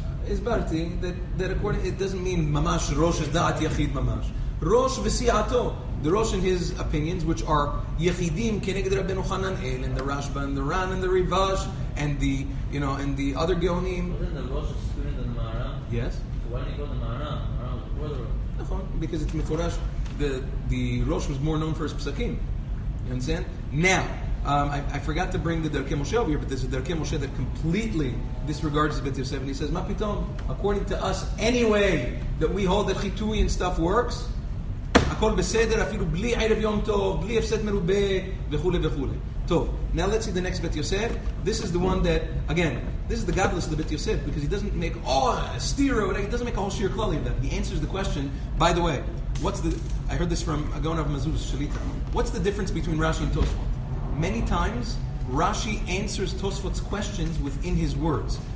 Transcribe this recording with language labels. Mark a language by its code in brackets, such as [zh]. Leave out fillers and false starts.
[en] הסברתי, that doesn't mean ממש ראש is דעת יחיד ממש. [he] ראש וסיעתו. [en] The Rosh and his opinions, which are Yechidim Kenegad Rabbeinu Hananel, and the Rashba, and the Ran, and the Rivash, and the, you know, and the other Geonim. Wasn't the Rosh a student of the Maharam? Yes. So why didn't he go to the Maharam? Maharam was before the Rosh. Because it's Mefurash. The Rosh was more known for his Pesachim. You understand? Now, I forgot to bring the Derkei Moshe over here, but there's a Derkei Moshe that completely disregards the Bet Yosef, and he says, Ma pitom, according to us, anyway, that we hold that Chitui and stuff works, [he] הכל בסדר, אפילו בלי ערב יום טוב, בלי הפסד מרובה, וכו' וכו'. [en] טוב, now let's see the next Bet Yosef. This is the one that, again, this is the godless of the Bet Yosef, because he doesn't make all stira, he doesn't make a whole shir klali of that. He answers the question, by the way, what's the, I heard this from Agon of Mazuz Shalita, what's the difference between Rashi and Tosfot? Many times, Rashi answers Tosfot's questions within his words.